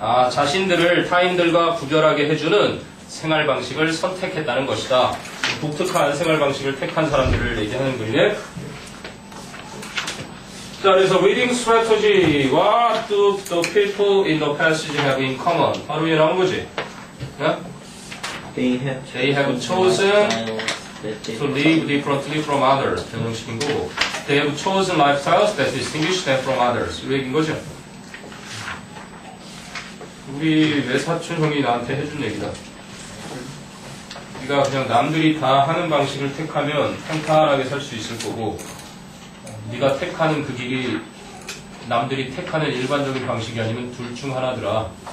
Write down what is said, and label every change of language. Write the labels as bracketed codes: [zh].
[ko] 자신들을 타인들과 구별하게 해주는 생활 방식을 선택했다는 것이다. 독특한 생활 방식을 택한 사람들을 얘기하는 거네. 자, 그래서 reading strategy. [en] What do the people in the passage have in common? [ko] 바로 이 나온 거지. [en] They have chosen to live differently from others. [ko] 대명식인 거고. [en] They have chosen lifestyles that distinguish them from others. [ko] 이 얘기인 거죠. 우리 외사촌 형이 나한테 해준 얘기다. 네가 그냥 남들이 다 하는 방식을 택하면 평탄하게 살 수 있을 거고. 네가 택하는 그 길이 남들이 택하는 일반적인 방식이 아니면 둘 중 하나더라.